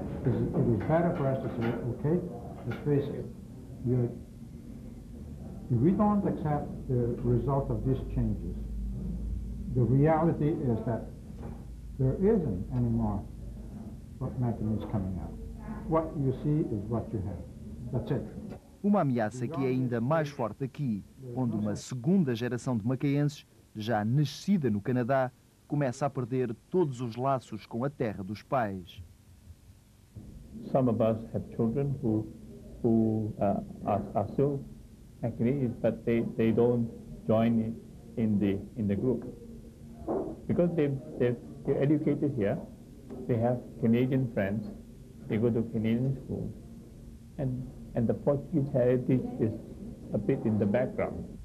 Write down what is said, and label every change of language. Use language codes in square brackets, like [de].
[en] It is better for us to say, okay, let's face it. If we don't accept the result of these changes, the reality is that there isn't any more mechanisms coming out. What you see is what you have. That's it. [pt] Uma ameaça que é ainda mais forte aqui, onde uma segunda geração de macaenses, já nascida no Canadá, começa a perder todos os laços com a terra dos pais. [en] Some of us have children who are still Macanese, but they don't join in the group because they're educated here, they have Canadian friends, they go to Canadian school, and the Portuguese heritage is a bit in the background.